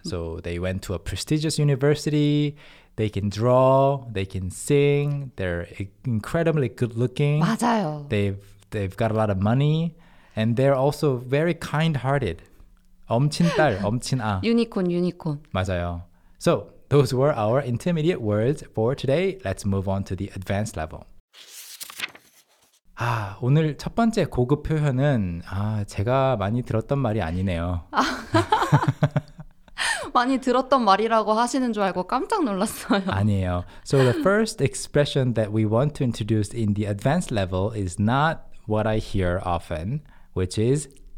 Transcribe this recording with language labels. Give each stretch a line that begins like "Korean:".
English: So they went to a prestigious university, they can draw, they can sing, they're incredibly good looking.
Korean: 맞아요.
English: They've got a lot of money, and they're also very kind-hearted.
Korean: 엄친딸, 엄친아.
English: Unicorn, unicorn.
Korean: 맞아요.
English: So those were our intermediate words for today. Let's move on to the advanced level.
Korean: 아, 오늘 첫 번째 고급 표현은 아, 제가 많이 들었던 말이 아니네요. 많이 들었던 말이라고 하시는 줄 알고 깜짝 놀랐어요. 아니에요.
English: So the first expression that we want to introduce in the advanced level is not what I hear often, which is